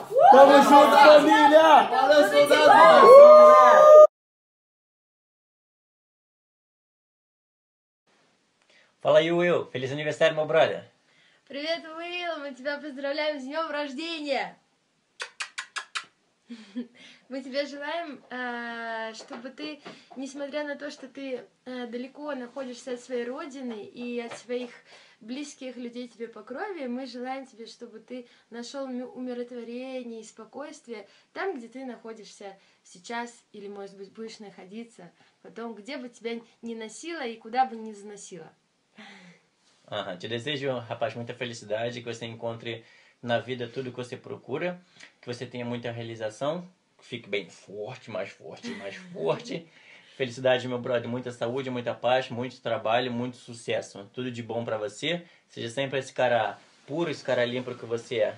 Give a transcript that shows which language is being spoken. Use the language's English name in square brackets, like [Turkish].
[Portuguese] tamo junto, família. Fala aí, Will. Feliz aniversário, meu brother. [Russian] Привет, Will. Мы тебя поздравляем с днем рождения. Мы тебе желаем, чтобы ты, несмотря на то, что ты далеко находишься от своей родины и от своих близких людей тебе по крови, мы желаем тебе, чтобы ты нашел умиротворение и спокойствие там, где ты находишься сейчас или, может быть, будешь находиться потом, где бы тебя ни носило и куда бы ни заносило. [Portuguese] Te desejo, rapaz, muita felicidade, que você encontre na vida tudo que você procura, que você tenha muita realização, que fique bem forte, mais forte, mais forte. Felicidade, meu brother, muita saúde, muita paz, muito trabalho, muito sucesso. Tudo de bom pra você. Seja sempre esse cara puro, esse cara limpo que você é.